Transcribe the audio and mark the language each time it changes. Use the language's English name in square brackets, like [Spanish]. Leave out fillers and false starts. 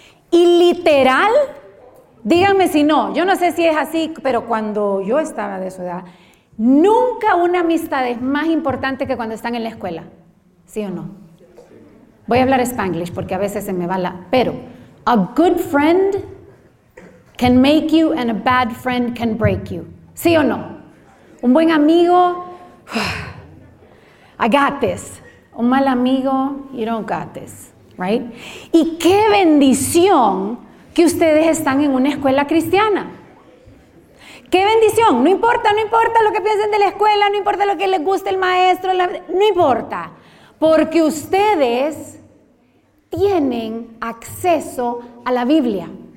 [Spanish] Y literal, díganme si no, yo no sé si es así, pero cuando yo estaba de su edad, nunca una amistad es más importante que cuando están en la escuela, ¿sí o no? Voy a hablar Spanglish porque a veces se me va la... [English] Pero, a good friend can make you and a bad friend can break you. [Spanish] ¿Sí o no? Un buen amigo, [English] I got this. [Spanish] Un mal amigo, [English] you don't got this. Right? [Spanish] Y qué bendición que ustedes están en una escuela cristiana. ¡Qué bendición! No importa lo que piensen de la escuela, no importa lo que les guste el maestro, no importa. Porque ustedes tienen acceso a la Biblia.